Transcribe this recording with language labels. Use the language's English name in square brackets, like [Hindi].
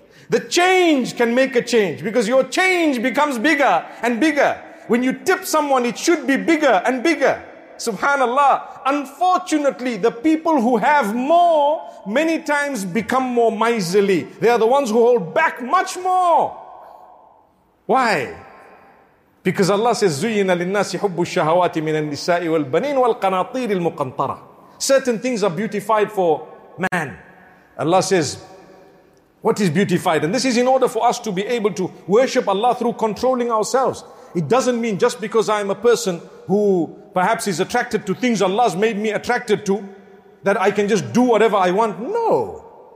[English] The change can make a change, because your change becomes bigger and bigger. When you tip someone, it should be bigger and bigger. Subhanallah. Unfortunately, the people who have more many times become more miserly. They are the ones who hold back much more. Why? Because Allah says, [Arabic] زُيِّنَ لِلنَّاسِ حُبُّ الشَّهَوَاتِ مِنَ النِّسَاءِ وَالْبَنِينَ وَالْقَنَاطِيرِ الْمُقَنْطَرَةِ. [English] Certain things are beautified for man. Allah says, what is beautified? And this is in order for us to be able to worship Allah through controlling ourselves. It doesn't mean just because I am a person who perhaps is attracted to things Allah has made me attracted to, that I can just do whatever I want. No.